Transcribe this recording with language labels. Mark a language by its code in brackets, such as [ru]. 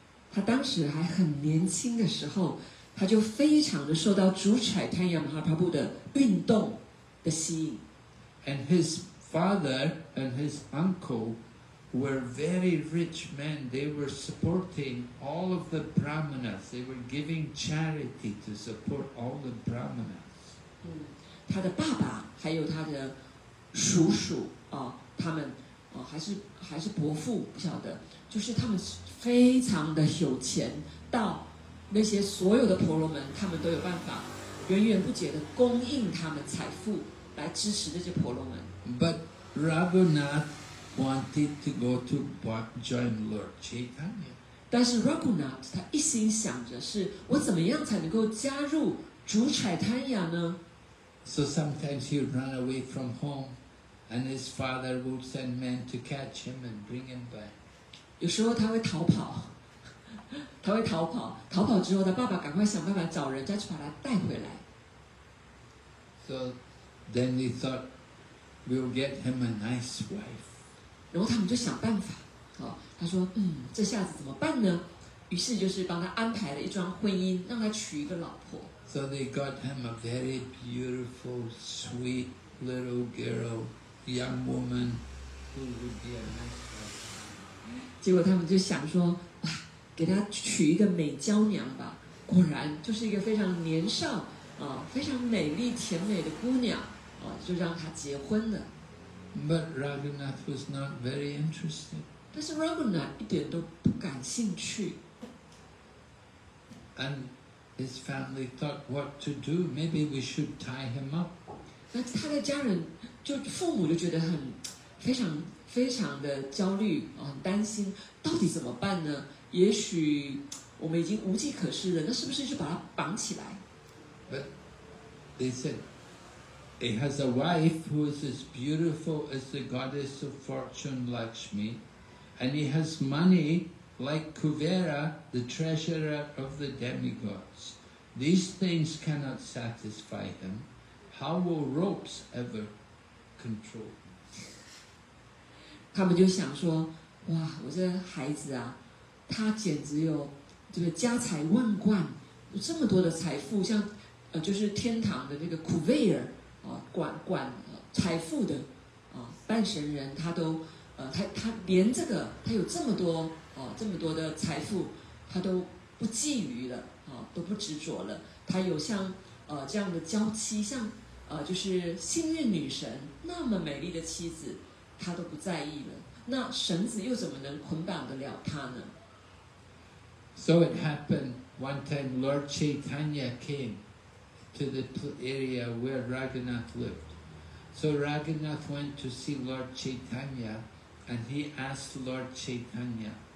[zh] 他当时还很年轻的时候，他就非常的受到主 Chaitanya Mahaprabhu 的运动的吸引。 [en] And his father and his uncle were very rich men. They were supporting all of the brahmanas. They were giving charity to support all the brahmanas. [zh] 他的爸爸还有他的叔叔啊，他们啊还是伯父，不晓得，就是他们非常的有钱，到那些所有的婆罗门，他们都有办法源源不绝的供应他们财富来支持这些婆罗门。 [en] But Raghunath wanted to go to join Lord Chaitanya. [zh] 但是 Raghunath 他一心想着是我怎么样才能够加入主 Chaitanya 呢 [en] So sometimes he'd run away from home, and his father would send men to catch him and bring him back. [zh] 有时候他会逃跑，他会逃跑，逃跑之后，他爸爸赶快想办法找人家去把他带回来。 [en] So then he thought, we'll get him a nice wife. [zh] 然后他们就想办法，哦，他说，这下子怎么办呢？于是就是帮他安排了一桩婚姻，让他娶一个老婆。 [en] So they got him a very beautiful, sweet little girl, young woman, who would be a nice wife. [zh] 结果他们就想说，哇，给他娶一个美娇娘吧。果然就是一个非常年少，啊，非常美丽甜美的姑娘，啊，就让他结婚了。 [en] But Raghunath was not very interested. [zh] 但是 Raghunath 一点都不感兴趣。 [en] And his family thought what to do, maybe we should tie him up. [zh] 那他的家人就父母就觉得很非常非常的焦虑，很担心到底怎么办呢？也许我们已经无计可施了，那是不是就把他绑起来？ [en] But they said he has a wife who is as beautiful as the goddess of fortune Lakshmi, and he has money like Kuvera, the treasurer of the demigods. These things cannot satisfy him. How will ropes ever control him? [zh] 他们就想说，哇，我这孩子啊，他简直有这个家财万贯，有这么多的财富，像就是天堂的那个 Kuvera 啊，管财富的啊，半神人，他都他连这个，他有这么多。哦，这么多的财富，他都不觊觎了，哦，都不执着了。他有像这样的娇妻，像就是幸运女神那么美丽的妻子，他都不在意了。那绳子又怎么能捆绑得了他呢 [en] ？So it happened one time, Lord Chaitanya came to the area where Raghunath lived. So Raghunath went to see Lord Chaitanya, and he asked Lord Chaitanya.